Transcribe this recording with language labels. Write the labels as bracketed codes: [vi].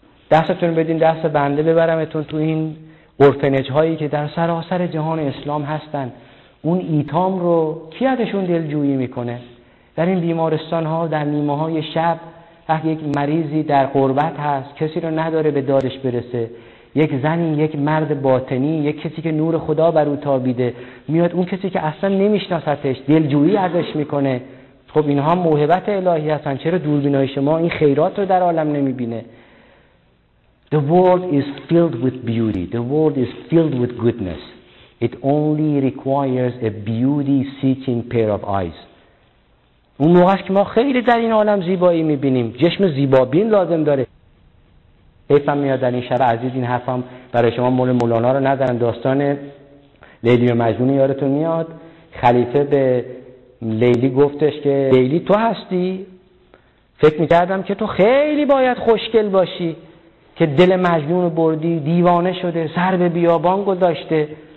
[fa] دستتون بدین دست بنده ببرمتون تو این اورفنج‌هایی که در سراسر جهان اسلام هستن، اون ایتام رو کی ازشون دلجویی میکنه؟ در این بیمارستان‌ها در نیمه‌های شب یک مریضی در غربت هست، کسی رو نداره به دادش برسه، یک زنی، یک مرد باطنی، یک کسی که نور خدا بر او تابیده، میاد اون کسی که اصلا نمیشناستش دلجویی ازش میکنه. خب اینها موهبت الهی هستن، چرا دوربینای شما این خیرات رو در عالم نمیبینه؟ [en] The world is filled with beauty. The world is filled with goodness. It only requires a beauty-seeking pair of eyes. [fa] اون موقع است که ما خیلی در این عالم زیبایی میبینیم. چشم زیبابین لازم داره. حیفم میاد در این شب عزیز این حرفم برای شما مولا مولانا رو ندارم. داستان لیلی و مجنون یادتون میاد؟ خلیفه به لیلی گفتش که لیلی تو هستی؟ فکر میکردم که تو خیلی باید خوشگل باشی که دل مجنون رو بردی، دیوانه شده، سر به بیابان گذاشته.